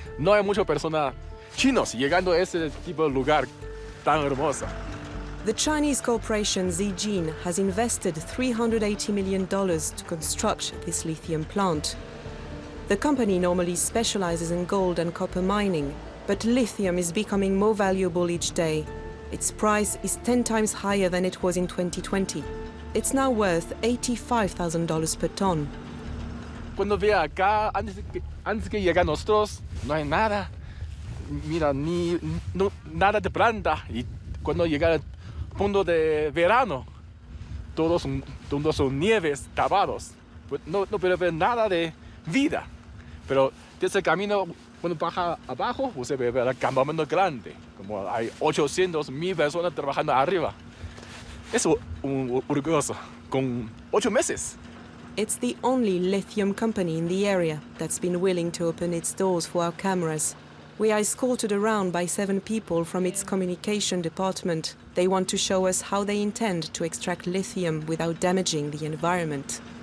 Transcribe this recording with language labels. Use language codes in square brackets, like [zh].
[es] No hay muchas personas chinos llegando a ese tipo de lugar tan hermoso. [en] The Chinese corporation Zijin has invested $380 million to construct this lithium plant. The company normally specializes in gold and copper mining, but lithium is becoming more valuable each day. Its price is 10 times higher than it was in 2020. It's now worth $85,000 per ton. [es] Cuando ve acá, antes que llegue a nosotros, no hay nada. Mira, nada de planta. Y cuando llega el punto de verano, todos son nieves tapados. No puede ver nada de vida. Pero desde el camino, cuando baja abajo, usted ve el campamento grande, como hay 800 mil personas trabajando arriba. Es un orgulloso, con 8 meses. [en] It's the only lithium company in the area that's been willing to open its doors for our cameras. We are escorted around by 7 people from its communication department. They want to show us how they intend to extract lithium without damaging the environment.